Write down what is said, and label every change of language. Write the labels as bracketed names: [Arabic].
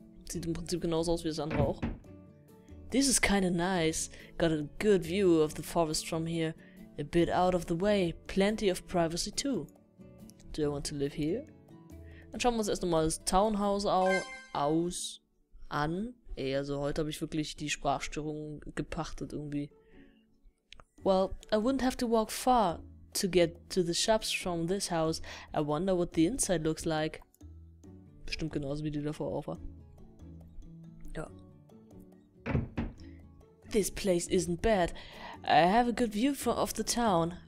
[German] Sieht im Prinzip genauso aus wie das andere auch. [English] This is kinda nice. Got a good view of the forest from here. A bit out of the way. Plenty of privacy too. Do I want to live here? [German] Dann schauen wir uns erst nochmal das Townhouse an. Ey, also heute habe ich wirklich die Sprachstörung gepachtet irgendwie. [English] Well, I wouldn't have to walk far to get to the shops from this house. I wonder what the inside looks like. [German] Bestimmt genauso wie die davor auch war. Ja. [English] This place isn't bad. I have a good view of the town.